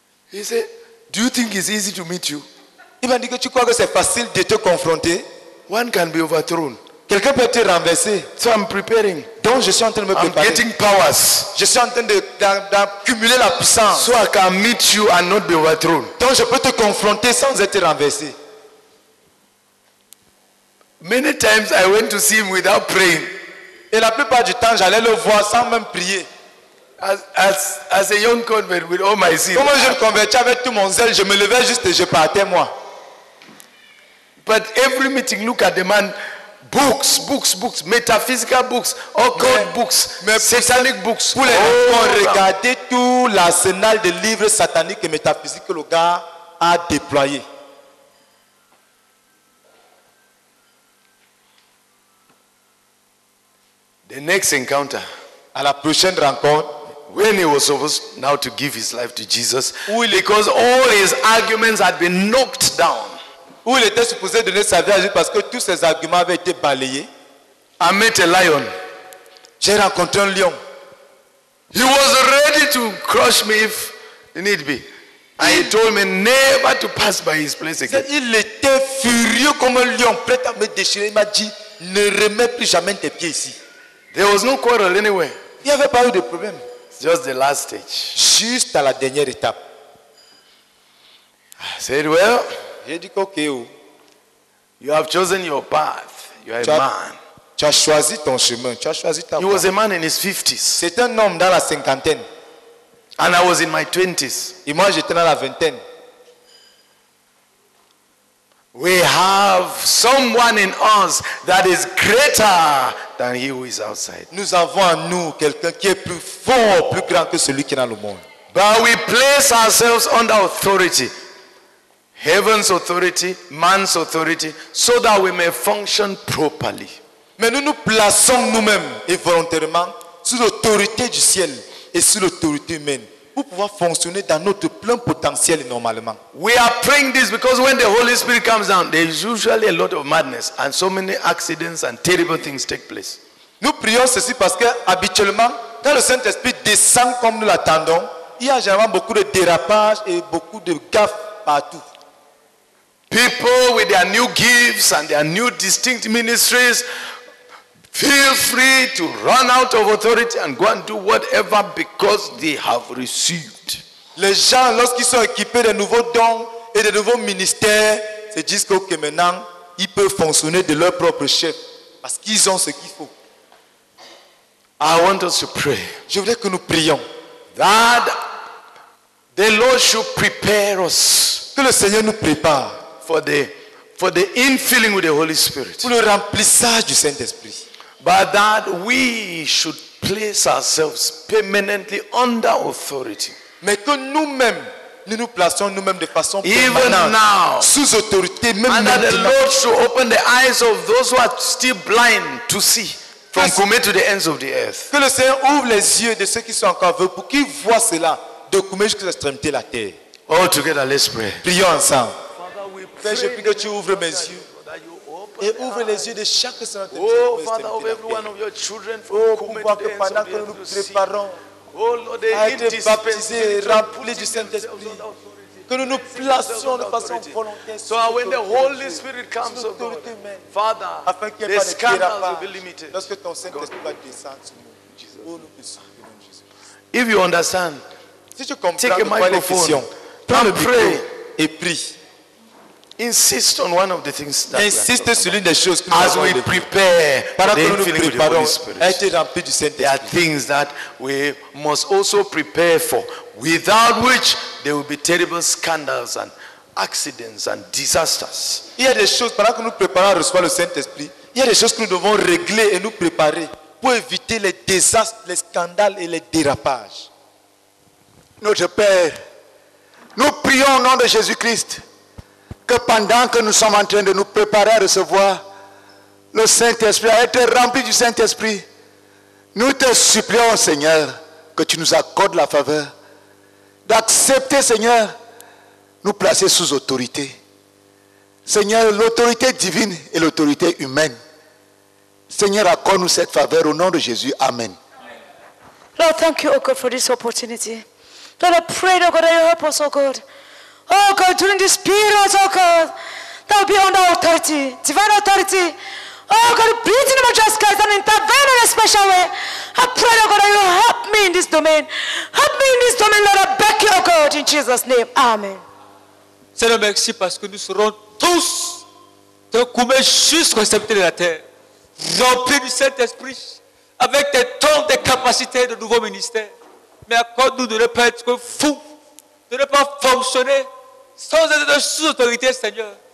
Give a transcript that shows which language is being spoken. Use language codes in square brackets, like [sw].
[en] He said, do you think it's easy to meet you? [fr] Il m'a dit que tu crois que c'est facile de te confronter? [en] One can be overthrown. [fr] Quelqu'un peut te renverser. [en] So I'm preparing. [fr] Donc je suis en train de me préparer. [en] I'm getting powers. [fr] Je suis en train d'accumuler la puissance. [en] So I can meet you and not be overthrown. [fr] Donc je peux te confronter sans être renversé. [en] Many times I went to see him without praying. [fr] Et la plupart du temps, j'allais le voir sans même prier. [en] As a young convert with all my zeal. [fr] Comme un jeune converti avec tout mon zèle, je me levais juste et je partais moi. [en] But every meeting, look at the man. Books, books, books, metaphysical books, occult books, satanic books. [fr] Pour les enfants, regardez tout l'arsenal de livres sataniques et métaphysiques que le gars a déployé. [en] The next encounter, [fr] à la prochaine rencontre, [en] when he was supposed now to give his life to Jesus, [fr] il, [en] because all his arguments had been knocked down, [fr] où il était supposé donner sa vie à Jésus parce que tous ses arguments avaient été balayés, [en] I met a lion. [fr] J'ai rencontré un lion. [en] He was ready to crush me if need be. And he told me never to pass by his place again. [fr] Il était furieux comme un lion, prêt à me déchirer. Il m'a dit, ne remets plus jamais tes pieds ici. [en] There was no quarrel anywhere. [fr] Il n'y avait pas eu de problème. [en] Just the last stage. [fr] Juste à la dernière étape. [en] I said, well, [fr] j'ai dit, okay, [en] you have chosen your path. You are a man. [fr] Tu as choisi ton chemin. Tu as choisi ta [en] voie. He was a man in his 50s. [fr] C'est un homme dans la cinquantaine. [en] And I was in my 20s. [fr] Et moi, j'étais dans la vingtaine. [en] We have someone in us that is greater than he who is outside. [fr] Nous avons en nous quelqu'un qui est plus fort, plus grand que celui qui est dans le monde. [en] But we place ourselves under authority. Heaven's authority, man's authority, so that we may function properly. [fr] Mais nous nous plaçons nous-mêmes et volontairement sous l'autorité du ciel et sous l'autorité humaine. Pour pouvoir fonctionner dans notre plein potentiel normalement. [en] We are praying this because when the Holy Spirit comes down, there is usually a lot of madness and so many accidents and terrible things take place. [fr] Nous prions ceci parce que habituellement, quand le Saint-Esprit descend comme nous l'attendons, il y a généralement beaucoup de dérapages et beaucoup de gaffes partout. [en] People with their new gifts and their new distinct ministries, feel free to run out of authority and go and do whatever because they have received. [fr] Les gens, lorsqu'ils sont équipés de nouveaux dons et de nouveaux ministères, se disent que maintenant, ils peuvent fonctionner de leur propre chef parce qu'ils ont ce qu'il faut. [en] I want us to pray. [fr] Je voudrais que nous prions. [en] That the Lord should prepare us. [fr] Que le Seigneur nous prépare. [en] For the infilling with the Holy Spirit. [fr] Pour le remplissage du Saint-Esprit. [en] But that we should place ourselves permanently under authority. [fr] Mais que nous-mêmes, nous nous plaçons nous-mêmes de façon [en] even now, [fr] sous autorité, même [en] and [fr] maintenant. [en] And that the Lord should open the eyes of those who are still blind to see from Kume to the ends of the earth. [fr] Que le Seigneur ouvre les yeux de ceux qui sont encore aveugles pour qu'ils voient cela de Kume jusqu'à l'extrémité de la terre. [en] All together, let's pray. [fr] Prions ensemble. [en] Father, we pray. [fr] Père, je prie que tu ouvres mes yeux. Et ouvre les yeux de chaque saint. [en] Oh, Father, of every one of your children from Kume to the ends of the earth. Oh, Lord, [fr] à être baptisés et remplis du Saint-Esprit. Que nous nous plaçons de façon volontaire. [en] So when the Holy Spirit comes, oh God, Father, [fr] afin qu'il n'y ait pas de scandale [en] will be limited. [fr] Lorsque ton Saint-Esprit va descendre sur nous. Oh, nous te supplions, Jésus. [en] If you understand, [fr] si tu comprends, [en] take a microphone, [fr] prends le micro et prie. [en] Insist on one of the things that [fr] insiste sur l'une des choses que [en] as we prepare para the [fr] nous [en] infilling [fr] nous [en] with the Holy Spirit. There are things that we must also prepare for, without which there will be terrible scandals and accidents and disasters. [fr] Il y a des choses pendant que nous préparons à recevoir le Saint-Esprit, il y a des choses que nous devons régler et nous préparer pour éviter les désastres, les scandales et les dérapages. Notre Père, Nous prions au nom de Jésus-Christ que pendant que nous sommes en train de nous préparer à recevoir le Saint-Esprit, à être rempli du Saint-Esprit, nous te supplions, Seigneur, que tu nous accordes la faveur d'accepter, Seigneur, nous placer sous autorité. Seigneur, l'autorité divine et l'autorité humaine. Seigneur, accorde-nous cette faveur au nom de Jésus. Amen. [en] Lord, thank you, O God, for this opportunity. Lord, I pray, O God, that you help us, O God. O God, during this period, O God, that will be under authority, divine authority. O God, please, in the majest case, and intervene in a special way. I pray, O God, that you help me in this domain. Help me in this domain, Lord, I beg you, O God, in Jesus' name. Amen. [fr] Seigneur, merci parce que nous serons tous te couper jusqu'au sceptre de la terre, remplis du Saint-Esprit, avec tes tons de capacités de nouveau ministère. Mais accorde-nous de ne pas être fous, de ne pas fonctionner sans être sous autorité, Seigneur.